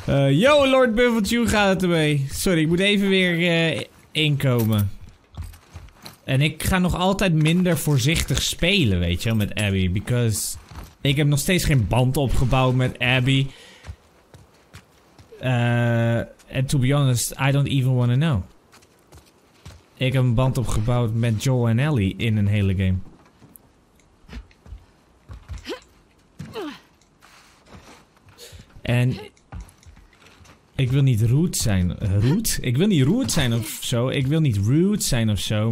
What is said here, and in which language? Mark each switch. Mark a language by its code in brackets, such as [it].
[nl] yo, Lord Buffeltjoe, gaat het ermee? Sorry, ik moet even weer inkomen. En ik ga nog altijd minder voorzichtig spelen, weet je, met Abby. [en] Because [nl] ik heb nog steeds geen band opgebouwd met Abby. [en] And to be honest, I don't even want to know. [nl] Ik heb een band opgebouwd met Joel en Ellie in een hele game. En ik wil niet rude zijn. Rude? Ik wil niet rude zijn of zo. Ik wil niet rude zijn of zo.